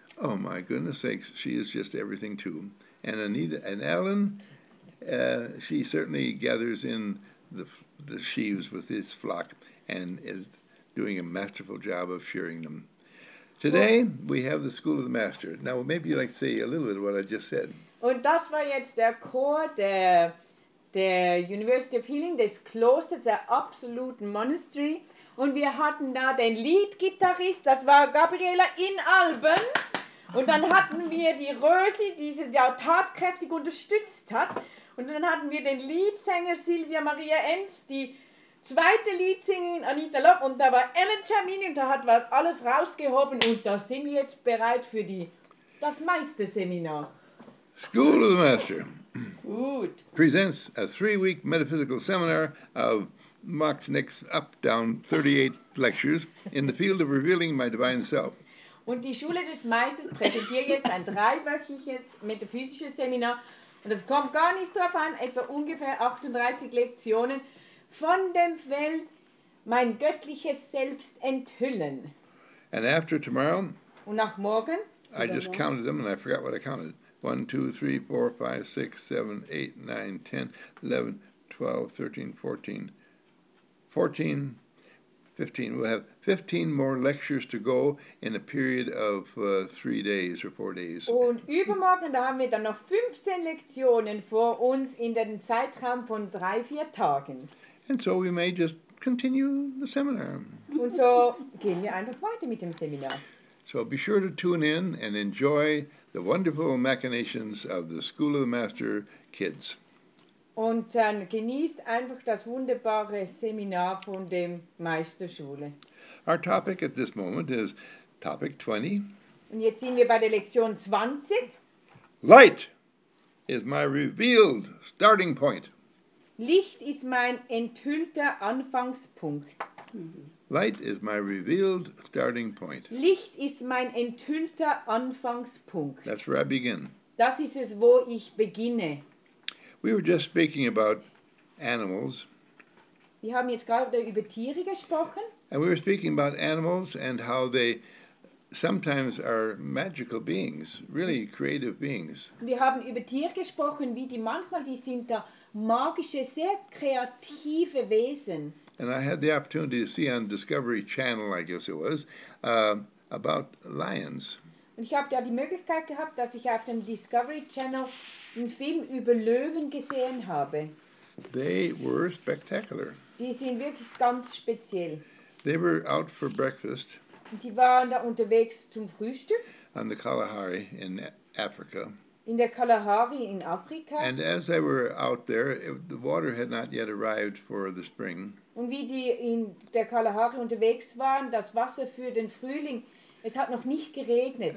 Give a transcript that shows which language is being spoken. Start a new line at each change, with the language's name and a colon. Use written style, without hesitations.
English: Oh, my goodness sakes, she is just everything, too. And Anita and Alan, she certainly gathers in the sheaves with this flock and is doing a masterful job of shearing them. Today, we have the School of the Master. Now, maybe you'd like to say a little bit of what I just said.
German: Und das war jetzt der Chor der
English: The University of Healing, they closed the absolute monastery.
German: Und wir hatten da den Lead-Gitarrist, das war Gabriela in Alben. Und dann hatten wir die Rösi, die sie ja tatkräftig unterstützt hat. Und dann hatten wir den Leadsänger Silvia Maria Enz, die zweite Leadsängerin Anita Lopp. Und da war Ellen Germini und da hat man alles rausgehoben. Und da sind wir jetzt bereit für das Meisterseminar.
English: School of the Master.
German: Gut.
English: Presents a three-week metaphysical seminar of Machnick's up, down 38 lectures in the field of revealing my divine self.
German: Und die Schule des Meisters präsentiert jetzt ein dreiwöchiges metaphysisches Seminar. Und es kommt gar nicht drauf an, etwa ungefähr 38 Lektionen von dem Feld mein göttliches Selbst enthüllen.
English: And after tomorrow,
German: und nach morgen,
English: I just
German: morgen?
English: Counted them and I forgot what I counted. 1, 2, 3, 4, 5, 6, 7, 8, 9, 10, 11, 12, 13, 14, 14, 15. We'll have 15 more lectures to go in a period of 3 days or 4 days.
German: Und übermorgen, da haben wir dann noch 15 Lektionen vor uns in den Zeitraum von 3-4 Tagen.
English: And so we may just continue the seminar.
German: Und so gehen wir einfach weiter mit dem Seminar.
English: So be sure to tune in and enjoy the wonderful machinations of the School of the Master kids.
German: Und dann genießt einfach das wunderbare Seminar von dem Meisterschule.
English: Our topic at this moment is topic 20.
German: Und jetzt sind wir bei der Lektion 20.
English: Light is my revealed starting point.
German: Licht ist mein enthüllter Anfangspunkt.
English: Light is my revealed starting point.
German: Licht ist mein enthüllter Anfangspunkt.
English: That's where I begin.
German: Das ist es, wo ich beginne.
English: We were just speaking about animals.
German: Wir haben jetzt gerade über Tiere gesprochen.
English: And we were speaking about animals and how they sometimes are magical beings, really creative beings.
German: Wir haben über Tiere gesprochen, wie die manchmal, die sind da magische, sehr kreative Wesen.
English: And I had the opportunity to see on Discovery Channel, I guess it was, about lions.
German: Und ich habe da die Möglichkeit gehabt, dass ich auf dem Discovery Channel einen Film über Löwen gesehen habe.
English: They were spectacular.
German: Die sind wirklich ganz speziell.
English: They were out for breakfast.
German: Und die waren da unterwegs zum Frühstück.
English: On the Kalahari in Africa.
German: In der Kalahari in Afrika.
English: And as they were out there, the water had not yet arrived for the spring.
German: Und wie die in der Kalahari unterwegs waren, das Wasser für den Frühling, es hat noch nicht geregnet.